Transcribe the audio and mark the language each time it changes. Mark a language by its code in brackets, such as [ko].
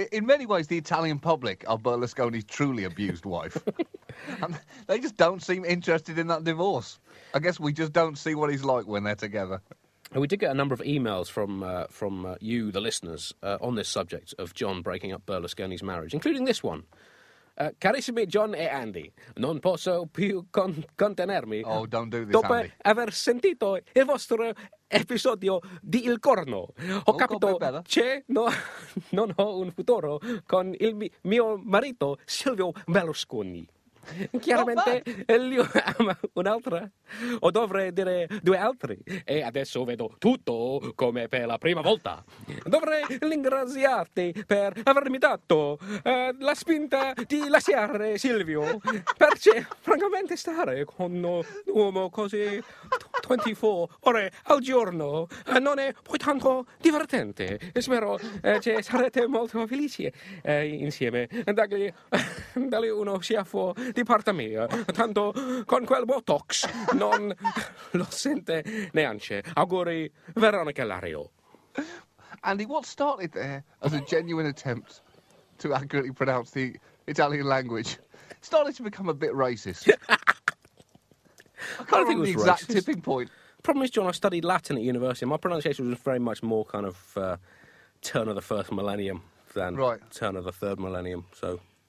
[en] In many ways, the Italian public are Berlusconi's truly abused wife. And they just don't seem interested in that divorce. I guess we just don't see what he's like when they're together. We did get a number of emails from you, the listeners, on this subject of John breaking up Berlusconi's marriage, including this one. [it] Carissimi John e Andy, non posso più contenermi. [en] Oh, don't do this, [it] dopo [en] Andy. [it] Dopo aver sentito il vostro episodio di Il Corno, ho capito che non ho un futuro con il mio marito Silvio Berlusconi. Chiaramente lui ama un'altra, o dovrei dire due altri, e adesso vedo tutto come per la prima volta. Dovrei ringraziarti per avermi dato la spinta di lasciare Silvio, perché francamente stare con un uomo così 24 ore al giorno non è poi tanto divertente. Spero che sarete molto felici insieme. Dagli uno schiaffo di parte mia, tanto con quel botox non lo sente neanche. Auguri, Veronica Lario. [en] Andy, what started there as a genuine attempt to accurately pronounce the Italian language started to become a bit racist. I think it was the exact racist tipping point. Problem is, John, I studied Latin at university. My pronunciation was very much more kind of turn of the first millennium than turn of the third millennium, so...